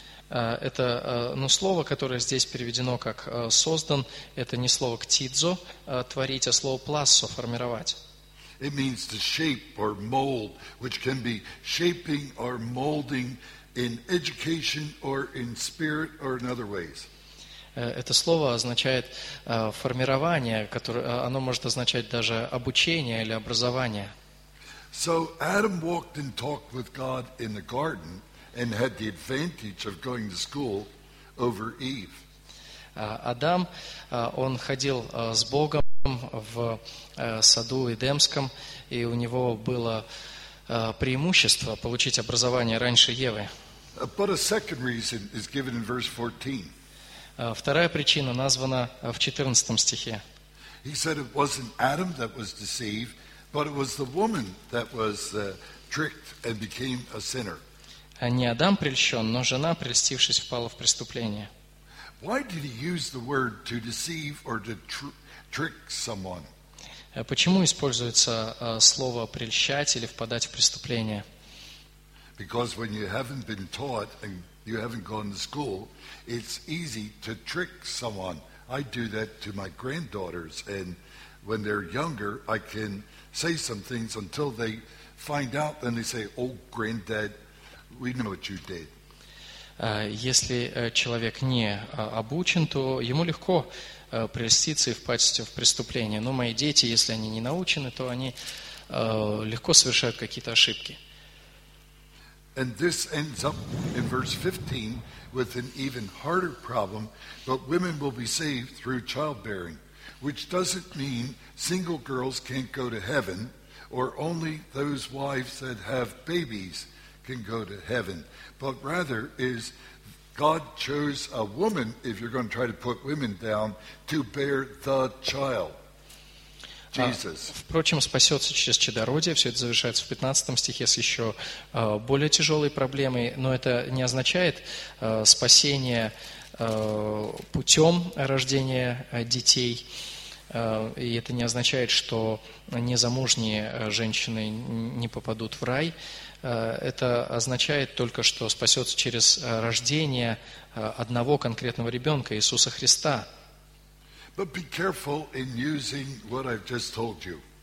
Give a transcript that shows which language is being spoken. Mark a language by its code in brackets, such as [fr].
[ru] Это, ну, слово, которое здесь переведено как создан, это не слово ктидзо, творить, а слово плассо, формировать. [en] It means to shape or mold, which can be shaping or molding in education or in spirit or in other ways. [ru] Это слово означает формирование, которое, оно может означать даже обучение или образование. [en] So Adam walked and talked with God in the garden and had the advantage of going to school over Eve. [ru] Адам, он ходил с Богом в саду Эдемском, и у него было преимущество получить образование раньше Евы. [en] But a second reason is given in verse 14. [ru] Вторая причина названа в 14 стихе. [en] He said it wasn't Adam that was deceived, but it was the woman that was tricked and became a sinner. [ru] Не Адам прельщен, но жена, прельстившись, впала в преступление. [en] Why did he use the word to deceive or to trick someone? [ru] Почему используется слово прельщать или впадать в преступление? [en] Because when you haven't been taught and you haven't gone to school, it's easy to trick someone. I do that to my granddaughters, and when they're younger, I can say some things until they find out, then they say, "Oh, granddad, we know what you did." [ru] Если человек не обучен, то ему легко прельститься и впасть в преступление. Но мои дети, если они не научены, то они легко совершают какие-то ошибки. [en] And this ends up in verse 15 with an even harder problem, but women will be saved through childbearing, which doesn't mean single girls can't go to heaven, or only those wives that have babies can go to heaven, but rather is God chose a woman, if you're going to try to put women down, to bear the child. [ru] Впрочем, спасется через чадородие. Все это завершается в 15 стихе с еще более тяжелой проблемой. Но это не означает спасение путем рождения детей. И это не означает, что незамужние женщины не попадут в рай. Это означает только, что спасется через рождение одного конкретного ребенка, Иисуса Христа. [en] But be careful in using what I've just told you.